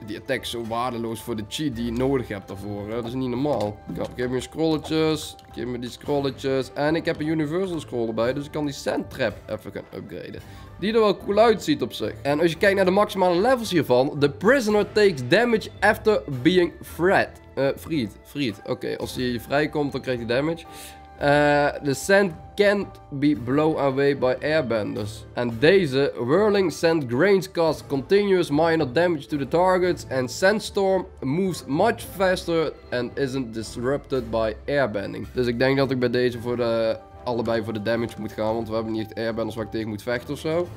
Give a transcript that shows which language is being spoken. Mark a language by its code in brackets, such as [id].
[nl] Die attack is zo waardeloos voor de cheat die je nodig hebt daarvoor. Hè? Dat is niet normaal. Kom, geef me een scrolletjes. Geef me die scrolletjes. En ik heb een universal scroll erbij. Dus ik kan die sand trap even gaan upgraden. Die er wel cool uitziet op zich. En als je kijkt naar de maximale levels hiervan... [en] The prisoner takes damage after being freed. Freed. [nl] Oké, als hij vrijkomt dan krijgt hij damage. [en] The sand can't be blown away by airbenders. And [nl] deze [en] whirling sand grains cause continuous minor damage to the targets. And sandstorm moves much faster and isn't disrupted by airbending. [nl] Dus ik denk dat ik bij deze voor de allebei voor de damage moet gaan. Want we hebben niet echt airbenders waar ik tegen moet vechten ofzo.